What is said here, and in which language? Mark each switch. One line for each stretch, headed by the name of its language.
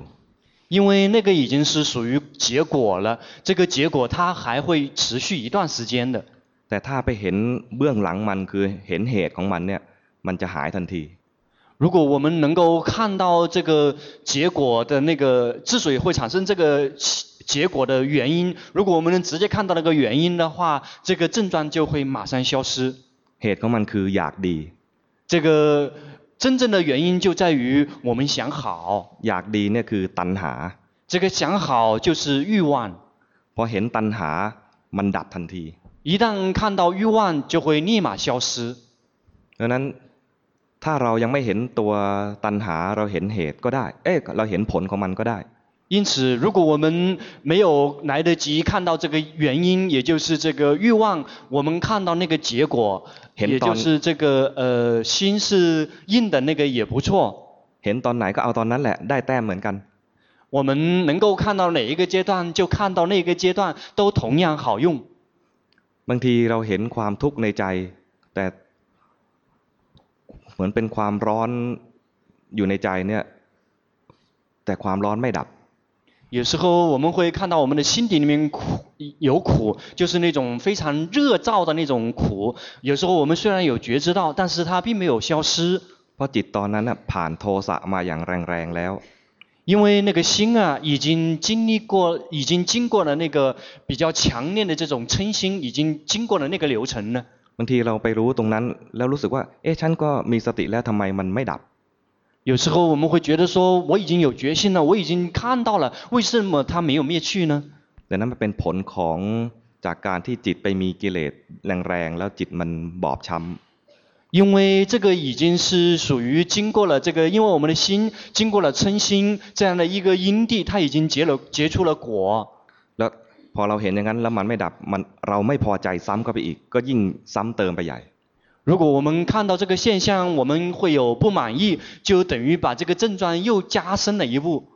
Chinese: 因为那个已经是属于结果了这个结果它还会持续一段时间的
Thai: แต่ถ้าไปเห็นเบื้องหลังมันคือเห็นเหตุของมันเนี่ยมันจะหายทันที
Chinese: 如果我们能够看到这个结果的那个之所以会产生这个结果的原因如果我们能直接看到那个原因的话这个症状就会马上消失
Thai: เหตุของมันคืออยากดี
Chinese: 这个真正的原因就在于我们想好
Thai: อยากดีเนี่ยคือตัณหา
Chinese: 这个想好就是欲望
Thai: พอเห็นตัณหามันดับทันที
Chinese: 一旦看到欲望就会立马消失
Thai: ดังนั้นถ้าเรายังไม่เห็นตัวตัณหาเราเห็นเหตุก็ได้เอ๊ะเราเห็นผลของมันก็ได้
Chinese: 因此如果我们没有来得及看到这个原因也就是这个欲望我们看到那个结果也就是这个心是硬的那个也不错
Thai: เห็นตอนไหนก็เอาตอนนั้นแหละได้แต้มเหมือนกัน
Chinese: 我们能够看到哪一个阶段就看到那个阶段都同样好用
Thai: บางทีเราเห็นความทุกข์ในใจแต่เหมือนเป็นความร้อนอยู่ในใจเนี่ยแต่ความร้อนไม่ดับ
Chinese: 有时候我们会看到我们的心底里面有苦就是那种非常热燥的那种苦有时候我们虽然有觉知到但是它并没有消失
Thai: เพราะจิตตอนนั้นผ่านโทสะมาอย่างแรงๆแล้ว
Chinese: 因为那个心啊已经经过了那个比较强烈的这种嗔心已经经过了那个流程了
Thai: บางทีเราไปรู้ตรงนั้นแล้วรู้สึกว่าเอ๊ะฉันก็มีสติแล้วทำไมมันไม่ดับ
Chinese: 有时候我们会觉得说我已经有决心了我已经看到了为什么它没有灭去呢
Thai: แต่นั้นเป็นผลของจากการที่จิตไปมีกิเลสแรงๆแล้วจิตมันบอบช้ำ
Chinese: 因为这个已经是属于经过了这个因为我们的心经过了嗔心这样的一个因地它已经结出了果
Thai: แล้วพอเราเห็นอย่างนั้นแล้วมันไม่ดับมันเราไม่พอใจซ้ำเข้าไปอีกก็ยิ่งซ้ำเติมไปใหญ่
Chinese: 如果我们看到这个现象我们会有不满意就等于把这个症状又加深了一步